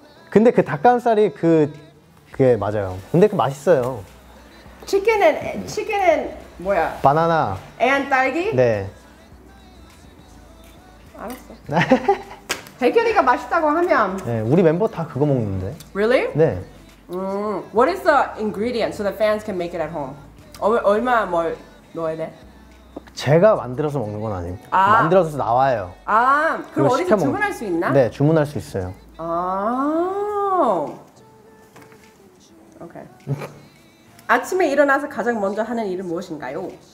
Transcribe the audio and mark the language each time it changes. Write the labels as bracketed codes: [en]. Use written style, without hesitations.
[ko] 근데 그 닭가슴살이 그게 맞아요. 근데 그 맛있어요. Chicken은 뭐야? 바나나 [en] And [ko] 딸기? 네. 알았어. 백현이가 맛있다고 하면 네, 우리 멤버 다 그거 먹는데 [en] Really? [ko] 네. [en] What is the ingredient so the fans can make it at home? [ko] 얼마 뭘 넣어야 돼? 제가 만들어서 먹는 건 아니에요. 아. 만들어서 나와요. 아, 그럼 어디서 주문할 수 있나? 네, 주문할 수 있어요. 아. 오케이. 아침에 일어나서 가장 먼저 하는 일은 무엇인가요?